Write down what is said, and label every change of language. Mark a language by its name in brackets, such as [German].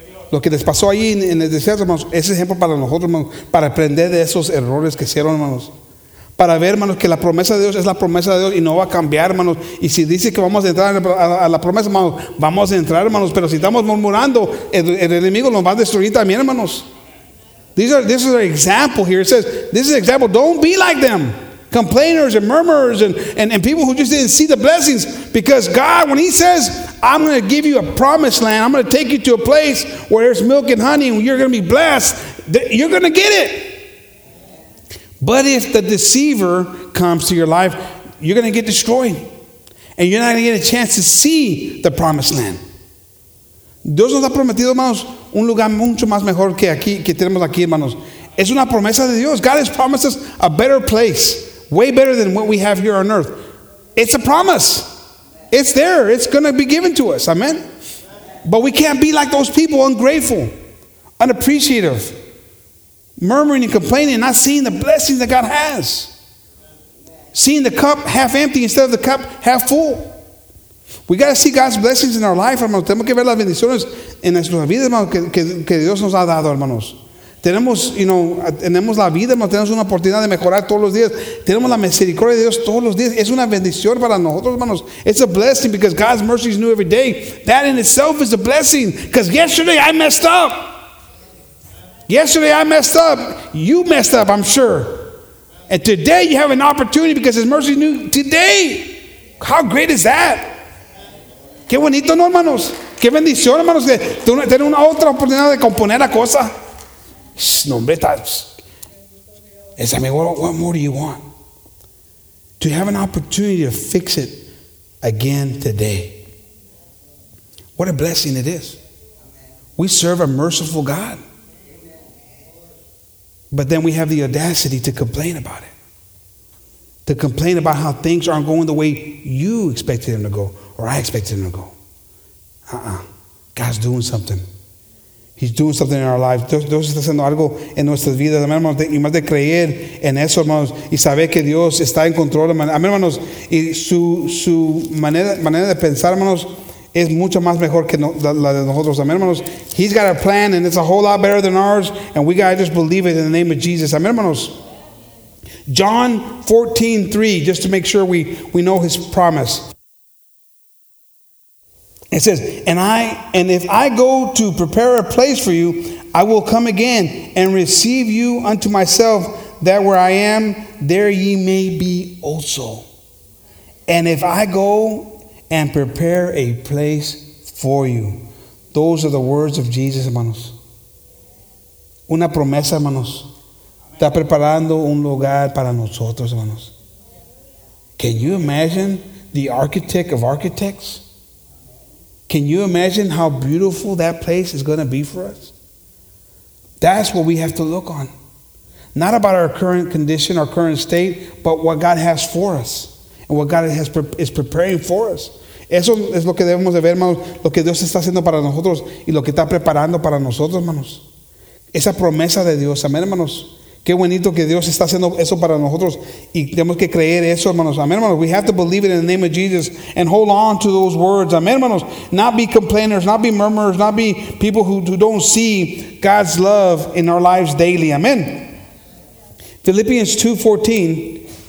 [Spanish] Lo que les pasó allí en el desierto, hermanos, es ejemplo para nosotros, hermanos, para aprender de esos errores que hicieron, hermanos. Para ver, hermanos, que la promesa de Dios es la promesa de Dios y no va a cambiar, hermanos. Y si dice que vamos a entrar a la promesa, hermanos, vamos a entrar, hermanos. Pero si estamos murmurando, el enemigo nos va a destruir también, hermanos. [English] This is an example here. It says, this is an example. Don't be like them. Complainers and murmurers and people who just didn't see the blessings. Because God, when he says, I'm going to give you a promised land, I'm going to take you to a place where there's milk and honey and you're going to be blessed, you're going to get it. But if the deceiver comes to your life, you're going to get destroyed. And you're not going to get a chance to see the promised land. [Spanish] Dios nos ha prometido, hermanos, un lugar mucho más mejor que aquí, que tenemos aquí, hermanos. Es una promesa de Dios. [English] God has promised us a better place, way better than what we have here on earth. It's a promise. It's there. It's going to be given to us. Amen. But we can't be like those people, ungrateful, unappreciative, murmuring and complaining, not seeing the blessings that God has. Seeing the cup half empty instead of the cup half full. We got to see God's blessings in our life, hermanos. [Spanish] Tenemos que ver las bendiciones en nuestra vida, hermanos, que Dios nos ha dado, hermanos. Tenemos, [English] you know, [Spanish] tenemos la vida, hermanos. Tenemos una oportunidad de mejorar todos los días. Tenemos la misericordia de Dios todos los días. Es una bendición para nosotros, hermanos. [English] It's a blessing because God's mercy is new every day. That in itself is a blessing. Because yesterday I messed up. Yesterday I messed up. You messed up, I'm sure. And today you have an opportunity because His mercy is new today. How great is that? [Spanish] Qué bonito, ¿no, hermanos? Qué bendición, hermanos, que tener una otra oportunidad de componer la cosa. No, hombre, [English] what more do you want? To have an opportunity to fix it again today. What a blessing it is. We serve a merciful God. But then we have the audacity to complain about it. To complain about how things aren't going the way you expected them to go. Or I expected them to go. God's doing something. He's doing something in our lives. [Spanish] Dios está haciendo algo en nuestras vidas. Amén, hermanos. Y más de creer en eso, hermanos. Y saber que Dios está en control. Amén, hermanos. Y su manera de pensar, hermanos, es mucho más mejor que la de nosotros. Amén, hermanos. [English] He's got a plan and it's a whole lot better than ours. And we got to just believe it in the name of Jesus. Amén, hermanos. John 14:3, just to make sure we know his promise. It says, and if I go to prepare a place for you, I will come again and receive you unto myself, that where I am, there ye may be also. And if I go and prepare a place for you. Those are the words of Jesus, hermanos. [Spanish] Una promesa, hermanos. Está preparando un lugar para nosotros, hermanos. [English] Can you imagine the architect of architects? Can you imagine how beautiful that place is going to be for us? That's what we have to look on. Not about our current condition, our current state, but what God has for us and what God is preparing for us. [Spanish] Eso es lo que debemos de ver, hermanos, lo que Dios está haciendo para nosotros y lo que está preparando para nosotros, hermanos. Esa promesa de Dios, amén, hermanos. Qué bonito que Dios está haciendo eso para nosotros y tenemos que creer eso, hermanos. Amén, hermanos. [English] We have to believe it in the name of Jesus and hold on to those words. Amén, hermanos. Not be complainers, not be murmurers, not be people who don't see God's love in our lives daily. Amén. Philippians 2:14.